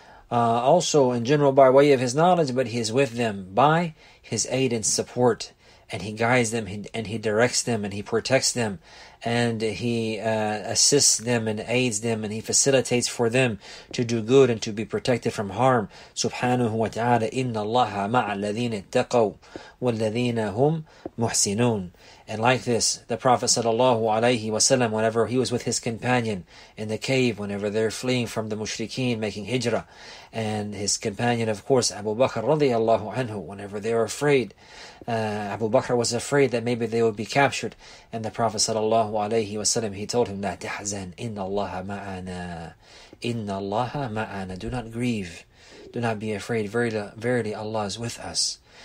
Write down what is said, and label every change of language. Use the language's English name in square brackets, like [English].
[English] Also, in general, by way of His knowledge, but He is with them by His aid and support. And He guides them, and He directs them, and He protects them, and He assists them and aids them, and He facilitates for them to do good and to be protected from harm. [Arabic] Subhanahu wa ta'ala, إِنَّ اللَّهَ مَعَ الَّذِينَ اتَّقَوْا وَالَّذِينَ هُمْ مُحْسِنُونَ. [English] And like this, the Prophet sallallahu alayhi wa sallam, whenever he was with his companion in the cave, whenever they're fleeing from the mushrikeen making hijrah, and his companion, of course, Abu Bakr radiallahu anhu, whenever they were afraid, Abu Bakr was afraid that maybe they would be captured, and the Prophet sallallahu alayhi wa sallam, he told him, [Arabic] لا تحزن إن الله معنا, [English] إن الله معنا, do not grieve, do not be afraid, verily, verily Allah is with us.